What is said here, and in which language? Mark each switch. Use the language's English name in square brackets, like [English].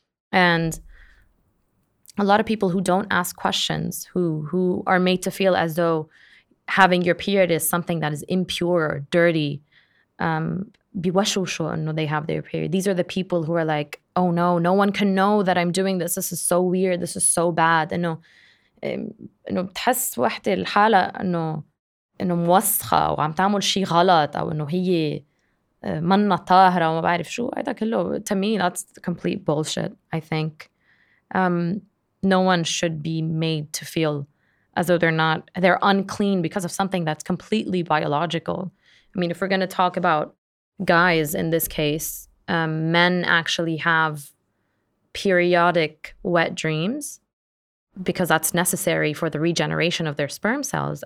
[English] And a lot of people who don't ask questions, who are made to feel as though having your period is something that is impure or dirty, [Arabic] بيوشوشو أنه [English] they have their period. These are the people who are like, oh no, no one can know that I'm doing this. This is so weird. This is so bad. [Arabic] أنه بتحس واحدة الحالة أنه موسخة وعم تعمل شي غلط أو أنه هي منة طاهرة وما بعرف شو. هذا كله, [English] to me, that's complete bullshit, I think. No one should be made to feel as though they're unclean because of something that's completely biological. I mean, if we're going to talk about guys in this case, men actually have periodic wet dreams because that's necessary for the regeneration of their sperm cells.